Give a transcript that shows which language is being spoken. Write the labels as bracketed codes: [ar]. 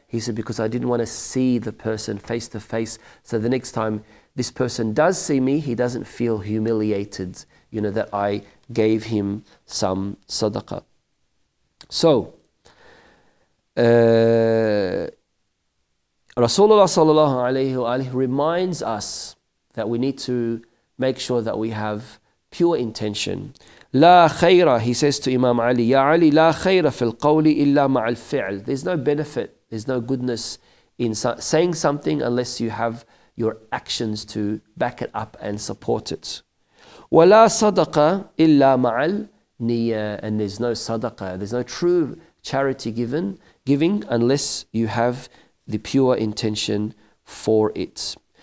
[en] He said, because I didn't want to see the person face to face. So the next time this person does see me, he doesn't feel humiliated, you know, that I gave him some sadaqah. So, Rasulullah sallallahu alayhi wa alayhi reminds us that we need to make sure that we have pure intention. [ar] لا خيرة, [en] he says to Imam Ali, [ar] يا علي لا خيرة في القول إلا مع الفعل. [en] There's no benefit, there's no goodness in saying something unless you have your actions to back it up and support it. [ar] ولا صدقة إلا مع النية. [en] And there's no صدقة, there's no true charity giving unless you have the pure intention for it.